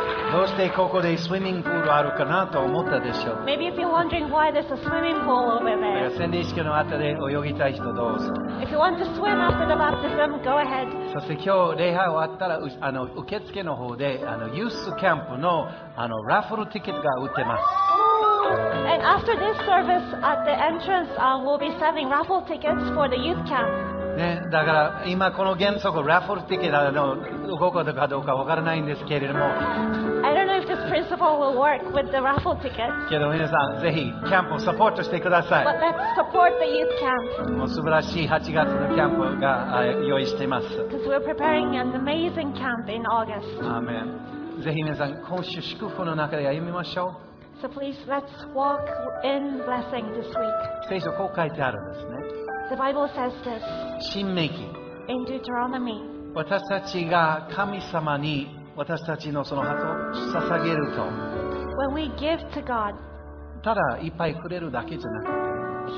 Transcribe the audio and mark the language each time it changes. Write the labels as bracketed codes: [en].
[ja] どうしてここでスイミングプールあるかなと思ったでしょう。 [en] Maybe if you're wondering why there's a swimming pool over there. [ja] 洗礼式の後で泳ぎたい人どうぞ。 [en] If you want to swim after the baptism, go ahead. [ja] そして今日礼拝終わったら受付の方でユースキャンプのラッフルティケットが売ってます。 [en] And after this service at the entrance, we'll be selling raffle tickets for the youth camp. [ja] ね、だから今この原則ラッフルティケットの動くかどうかわからないんですけれども。 [en] I don't know if this principle will work with the raffle tickets. [ja] けど皆さんぜひキャンプをサポートしてください。 [en] But let's support the youth camp. [ja] もう素晴らしい8月のキャンプが用意しています。 [en] Because we're preparing an amazing camp in August. Amen. [ja] ぜひ皆さん今週祝福の中で歩みましょう。 [en] So please, let's walk in blessing this week. [ja] 聖書こう書いてあるんですね。 [en] The Bible says this. [ja] 新命記。 [en] In Deuteronomy. [ja] 私たちが神様に私たちのその鳩を捧げると。 [en] When we give to God. [ja] ただいっぱいくれるだけじゃなくて。